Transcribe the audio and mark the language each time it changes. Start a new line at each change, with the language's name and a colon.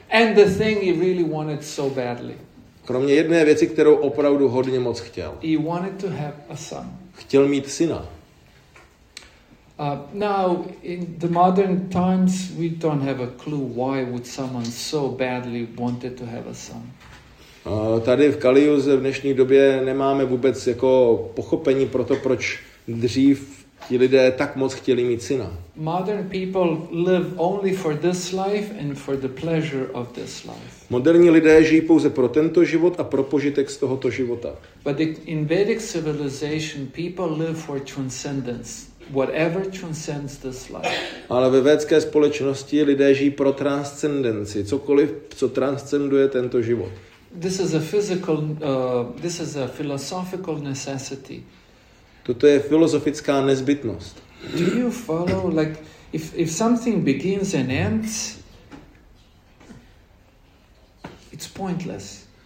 English: And the thing he really wanted so badly.
Czech: Kromě jedné věci, kterou opravdu hodně moc chtěl.
English: He wanted to have a son.
Czech: Chtěl mít syna.
English: Now in the modern times we don't have a clue why would someone so badly wanted to have a son.
Czech: Tady v Kaliuze v dnešní době nemáme vůbec jako pochopení pro to, proč dřív ti lidé tak moc chtěli mít syna.
English: Modern people live only for this life and for the pleasure of this life.
Czech: Moderní lidé žijí pouze pro tento život a pro požitek z tohoto života.
English: But in Vedic civilization people live for transcendence. Whatever transcends this life.
Czech: Ale ve védské společnosti lidé žijí pro transcendenci, cokoliv, co transcenduje tento život.
English: This is a physical, this is a philosophical necessity.
Czech: Toto je filozofická nezbytnost.
English: Do you follow, like, if something begins and ends, it's pointless.